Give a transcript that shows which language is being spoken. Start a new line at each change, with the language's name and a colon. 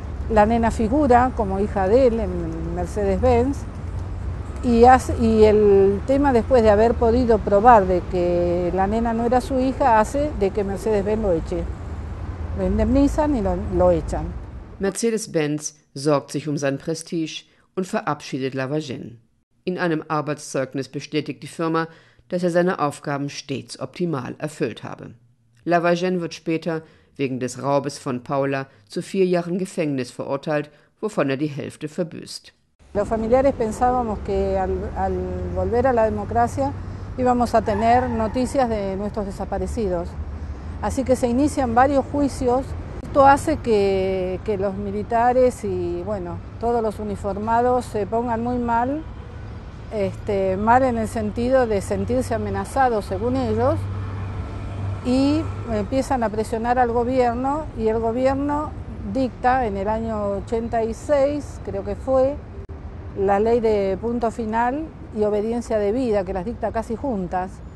Spanish: La nena figura como hija de él en Mercedes-Benz y el tema después de haber podido probar de que la nena no era su hija hace de que Mercedes-Benz lo eche. Lo indemnizan y lo echan.
German: Mercedes-Benz sorgt sich um sein Prestige und verabschiedet Lavagen. In einem Arbeitszeugnis bestätigt die Firma, dass er seine Aufgaben stets optimal erfüllt habe. Lavagen wird später wegen des Raubes von Paula zu 4 Jahren Gefängnis verurteilt, wovon er die Hälfte verbüßt.
Spanish: Los familiares pensábamos que al volver a la democracia íbamos a tener noticias de nuestros desaparecidos. Así que se inician varios juicios. Esto hace que los militares y bueno, todos los uniformados se pongan muy mal, mal en el sentido de sentirse amenazados según ellos, y empiezan a presionar al gobierno, y el gobierno dicta en el año 86, creo que fue, la ley de punto final y obediencia debida, que las dicta casi juntas.